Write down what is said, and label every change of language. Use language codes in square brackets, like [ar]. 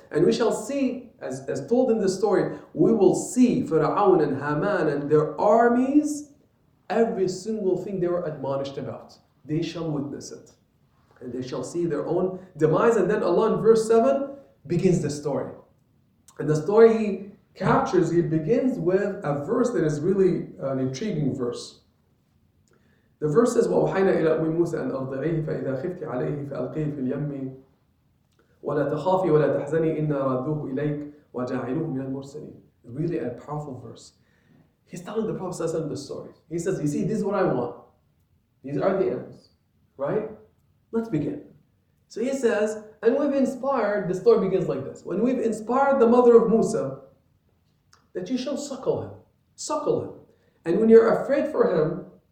[en] And we shall see, as told in the story, we will see Fir'aun and Haman and their armies, every single thing they were admonished about. They shall witness it. And they shall see their own demise. And then Allah in verse 7 begins the story. And the story He captures, He begins with a verse that is really an intriguing verse. The verse says, [ar] وَوْحَيْنَا إِلَىٰ أُمِّ مُوسَىٰ أَنْ أَرْضِعِيهِ فَإِذَا خِفْتِ عَلَيْهِ فَأَلْقِيهِ فِي الْيَمِّ وَلَا تَخَافِي وَلَا تَحْزَنِي إِنَّا رَدُّوهُ إِلَيْكَ وَجَاعِلُوهُ مِنَ الْمُرْسَلِينَ [en] Really a powerful verse. He's telling the Prophet ﷺ the story. He says, you see, this is what I want. These are the ends, right? Let's begin. So he says, and we've inspired, the story begins like this. When we've inspired the mother of Musa, that you shall suckle him. Suckle him. And when you're afraid for him,